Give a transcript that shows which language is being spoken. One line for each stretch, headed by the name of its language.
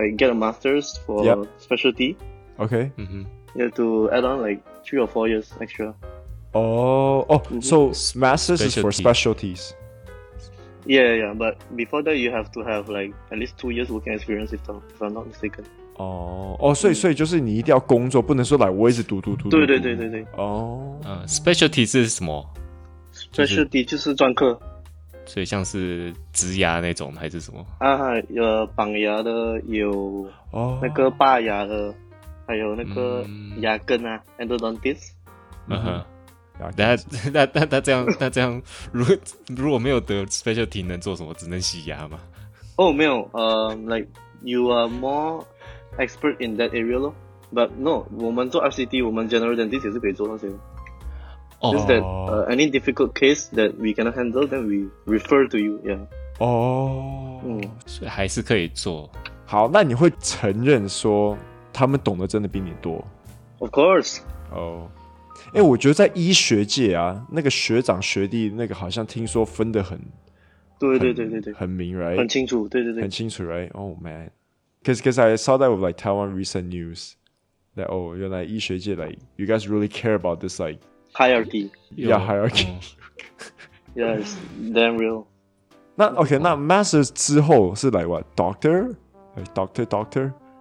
English: like get a master's for、 yep. specialty. Okay. You have to add on like 3 or 4 years extra. Oh. So master's、 specialty. is for specialties. Yeah, but before that, you have to have like at least 2 years working experience, if I'm not mistaken.
Chinese: Oh, 所以就是你一定要工作，不能说来我一直读。对对对对对。 Specialty 是什么？Specialty 就是专科。所以像是植牙那种还是什么？啊，有绑牙的，有那个拔牙的，还有那个牙根啊 ，endodontist。嗯哼。那这样如果没有得 specialty 能做什么？只能洗牙吗？
English: 哦、oh, ，
Chinese: 没有，
English: like you are more expert in that area 咯。 But no，
Chinese: 我们做 RCT， 我们 general dentist 也是可以做那些。 Oh.
English: Just that any difficult case that we cannot handle， then we refer to you， yeah。哦，嗯，
Chinese: 所以还是可以做。好，那你会承认说他们懂得真的比你多
English: ？Of course。哦。
Chinese: 欸，我觉得在医学界啊，那个学长学弟那个好像听说分得很，对对对对对，很明 ，right？很清楚，对对对，很清楚 ，right？
English: Oh man， because I saw that with like Taiwan recent news that oh，
Chinese: 原来医学界
English: like you guys really care about this like hierarchy， yeah hierarchy， yeah it's damn real。那 OK， 那 masters
Chinese: 之后是
English: like what doctor？ Like, doctor？